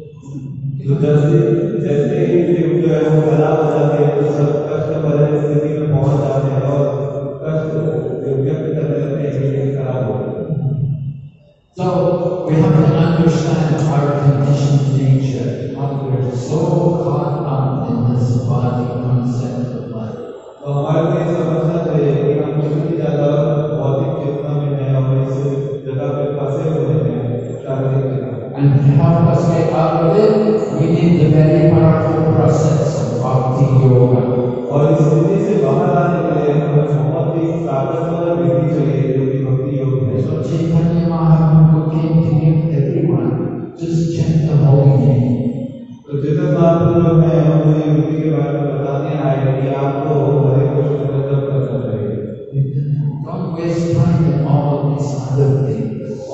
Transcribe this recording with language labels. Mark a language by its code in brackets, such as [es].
[hi] So जैसे जैसे जो है वो खराब हो जाते हैं तो सब कष्ट भरे स्थिति में पहुंच जाते हैं और कष्ट व्यक्त कर देते हैं ये खराब हो [en] So we have to understand our conditioned nature, how we are so caught up in this body concept of life. [hi] तो हमारे लिए समस्या है कि हम इतनी ज्यादा भौतिक चेतना में हैं और इस जगह पे फंसे हुए हैं शारीरिक [en] And to help us get out of it, we need the very powerful process of Bhakti Yoga. [hi] और इस स्थिति से बाहर आने के लिए हमें बहुत ही ताकतवर विधि चाहिए जो कि भक्ति योग है। [en] So Chaitanya Mahaprabhu came to give everyone just chant the holy name. [hi] तो जितने बात हम लोग हैं हम उन्हें विधि के बारे में बताने आए हैं कि आपको हरे कृष्ण का जप करना चाहिए। [en] Don't waste time in all of these other things.